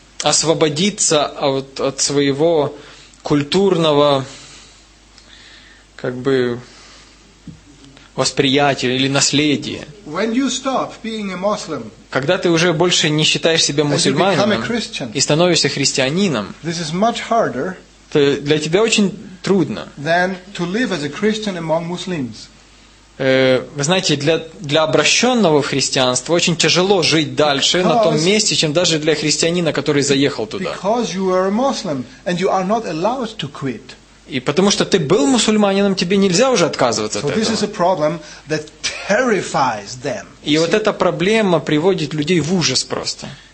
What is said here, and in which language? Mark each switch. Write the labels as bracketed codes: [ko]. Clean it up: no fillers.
[ru] Освободиться от своего культурного как бы восприятие или наследие. [en] When you stop being a Muslim, [ru] когда ты уже больше не считаешь себя мусульманином и становишься христианином, [en] this is much harder, [ru] то для тебя очень трудно. [en] Than to live as a Christian among Muslims. [ru] Вы знаете, для обращенного в христианство очень тяжело жить дальше [en] because, [ru] на том месте, чем даже для христианина, который заехал туда. [en] Because you are a Muslim and you are not allowed to quit. [ru] И потому что ты был мусульманином, тебе нельзя уже отказываться от этого. И вот эта проблема приводит людей в ужас просто.